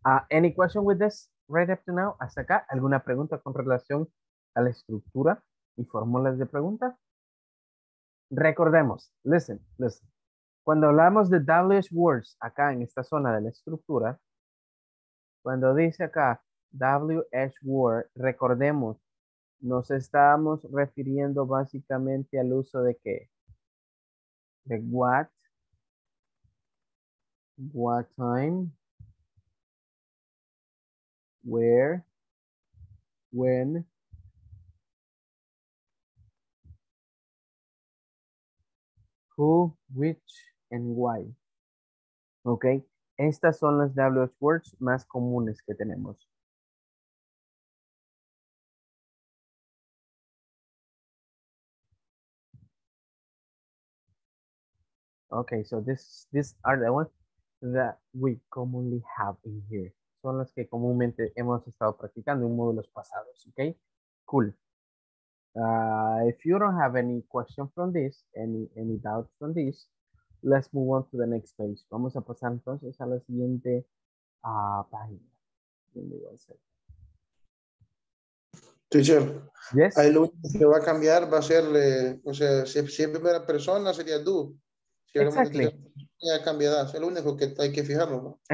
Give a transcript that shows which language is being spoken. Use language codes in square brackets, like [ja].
[en] Any question with this right up to now? [es] ¿Hasta acá? ¿Alguna pregunta con relación a la estructura y fórmulas de pregunta? Recordemos. [en] Listen, listen. [es] Cuando hablamos de WH words acá en esta zona de la estructura, cuando dice acá WH word, recordemos, nos estamos refiriendo básicamente al uso de qué? De what. [en] What time, where, when, who, which, and why. [es] Ok, estas son las WH words más comunes que tenemos. [en] Ok, so this are the ones that we commonly have in here. [es] Son las que comúnmente hemos estado practicando en módulos pasados, ok? [en] Cool. If you don't have any question from this, any doubt from this, let's move on to the next page. [es] Vamos a pasar entonces a la siguiente página. [en] Teacher, yes? [es] Ahí lo que va a cambiar va a ser, o sea, si es primera persona sería do. [en] Exactly. [es] Ya cambiará, es el único que hay que fijarlo, ¿no?